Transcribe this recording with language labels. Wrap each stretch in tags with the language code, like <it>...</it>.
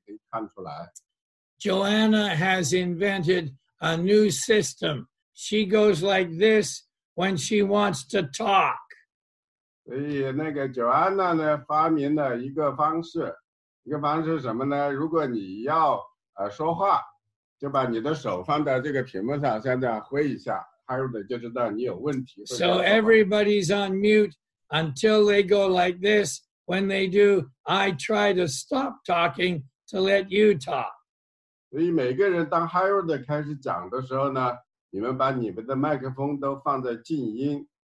<zh>所以呢，如果你们都把脸靠近一点摄像头，对Harold来说呢，他很容易的知道你的表情，因为有时候他讲的事情，你们在微笑，他就知道了。有时候你脸上有一个大问号，他也可以看出来。Joanna</zh> <en>has invented a new system. She goes like this when she wants to talk.</en> <zh>所以那个 Joanna 呢发明了一个方式，一个方式什么呢？如果你要说话，就把你的手放在这个屏幕上，现在挥一下，Harold就知道你有问题。</zh> <en>So everybody's on mute until they go like this. When they do, I try to stop talking to let you talk.</en> <zh>所以每个人当 Harold 开始讲的时候呢，你们把你们的麦克风都放在静音。</zh>